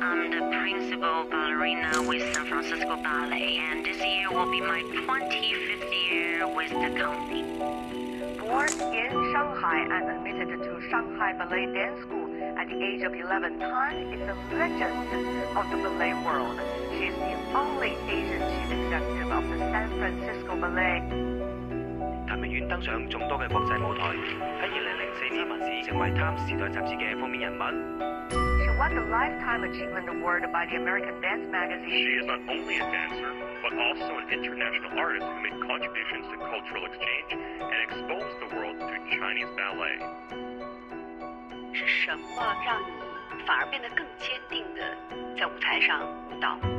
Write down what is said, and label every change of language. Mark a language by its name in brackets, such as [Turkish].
[English] I'm the principal ballerina with San Francisco Ballet, and this year will be my 25th year with the company. Born in Shanghai and admitted to Shanghai Ballet Dance School at the age of 11, Tan is a legend of the ballet world. She's the only Asian chief executive of the San Francisco Ballet. [Chinese] 谭明远登上众多的国际舞台，在2004年文字成为《Time》时代杂志的封面人物。 [English] She won the Lifetime Achievement Award by the American Dance Magazine. She is not only a dancer, but also an international artist who made contributions to cultural exchange and exposed the world to Chinese ballet. [Chinese] 是什么让你反而变得更坚定的在舞台上舞蹈？